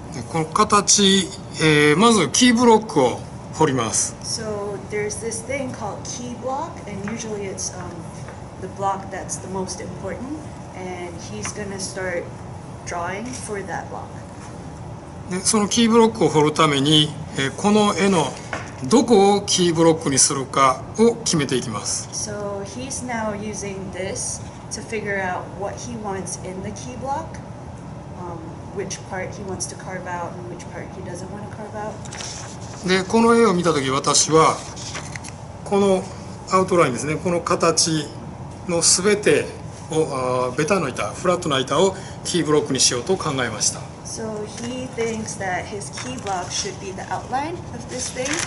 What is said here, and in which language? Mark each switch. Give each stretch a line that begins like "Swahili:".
Japanese: この形、まずキーブロックを彫ります。
English: So there's this thing called key block, and usually it's the block that's the most important. And he's gonna start drawing for that block.
Japanese: でそのキーブロックを彫るために、この絵のどこをキーブロックにするかを決めていきます。
English: So he's now using this to figure out what he wants in the key block, which part he wants to carve out and which part he doesn't want to carve out.
Japanese: でこの絵を見たとき私はこのアウトラインですね、この形のすべてをベタの板、フラットな板をキーブロックにしようと考えました。
English: So he thinks that his key block should be the outline of this thing.